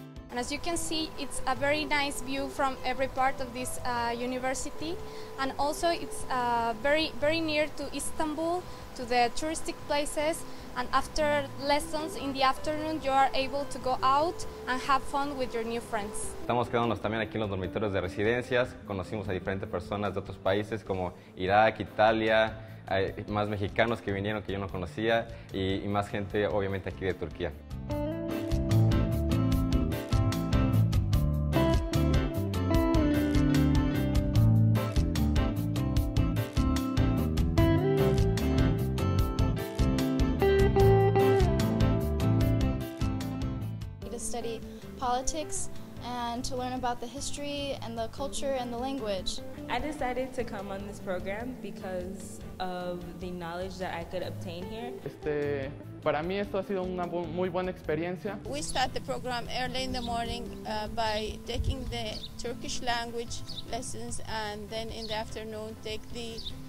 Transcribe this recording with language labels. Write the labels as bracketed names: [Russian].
[English] And as you can see, it's a very nice view from every part of this university, and also it's very, very near to Istanbul, to the touristic places, and after lessons in the afternoon you are able to go out and have fun with your new friends. [Spanish] Estamos quedándonos también aquí en los dormitorios de residencias, conocimos a diferentes personas de otros países como Irak, Italia, hay más mexicanos que vinieron que yo no conocía y más gente obviamente aquí de Turquía. [English] Politics and to learn about the history and the culture and the language. I decided to come on this program because of the knowledge that I could obtain here. [Spanish] Para mí esto ha sido una muy buena experiencia. [English] We start the program early in the morning by taking the Turkish language lessons, and then in the afternoon take the